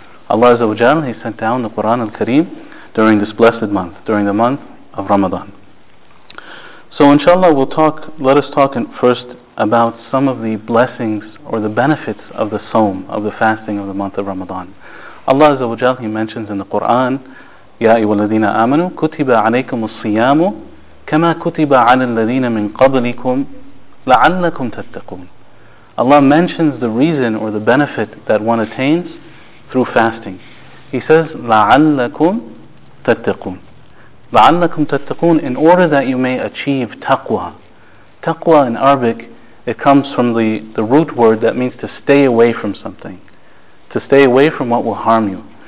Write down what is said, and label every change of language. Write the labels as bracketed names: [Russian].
[English] Allah Azza wa Jal, He sent down the Qur'an al-Kareem during this blessed month, during the month of Ramadan. So inshallah, let us talk first about some of the blessings or the benefits of the sawm, of the fasting of the month of Ramadan. Allah Azza wa Jal, He mentions in the Qur'an, [Arabic] يَا أَيُّهَا الَّذِينَ آمَنُوا كُتِبَ عَلَيْكُمُ الصِّيَامُ كَمَا كُتِبَ عَلَى الَّذِينَ مِنْ قَبْلِكُمْ لَعَلَّكُمْ تَتَّقُونَ. [English] Allah mentions the reason or the benefit that one attains through fasting. He says, [Arabic] لَعَلَّكُمْ تَتَّقُونَ. لَعَلَّكُمْ تَتَّقُونَ, [English] in order that you may achieve taqwa. Taqwa in Arabic, it comes from the root word that means to stay away from something, to stay away from what will harm you.